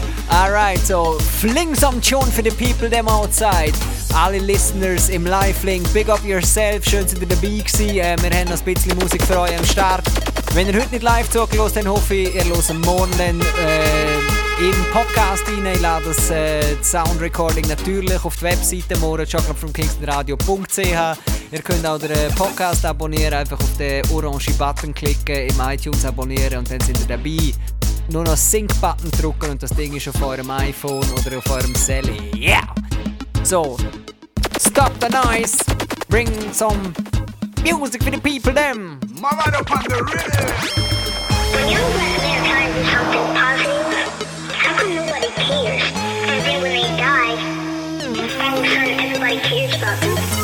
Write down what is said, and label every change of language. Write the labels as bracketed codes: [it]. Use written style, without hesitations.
[en] Alright, so fling some tune for the people them outside. [de] Alle Listeners im Live-Link, [en] big up yourself, [de] schön sind ihr dabei gewesen. Wir haben noch ein bisschen Musik für euch am Start. Wenn ihr heute nicht live zugelassen, dann hoffe ich, ihr hört morgen im Podcast rein. Ich lade das Sound-Recording natürlich auf die Webseite morgen, chocolatefromkingstonradio.ch. Ihr könnt auch den Podcast abonnieren, einfach auf den orange Button klicken, im iTunes abonnieren und dann sind ihr dabei. Nur noch Sync-Button drücken und das Ding ist auf eurem iPhone oder auf eurem Sally. [en] Yeah! So, stop the noise, bring some music for the people them. Mama up on the rhythm. Can you imagine trying to help in poverty? How come nobody cares? Everywhere he dies, all of a sudden everybody cares about them.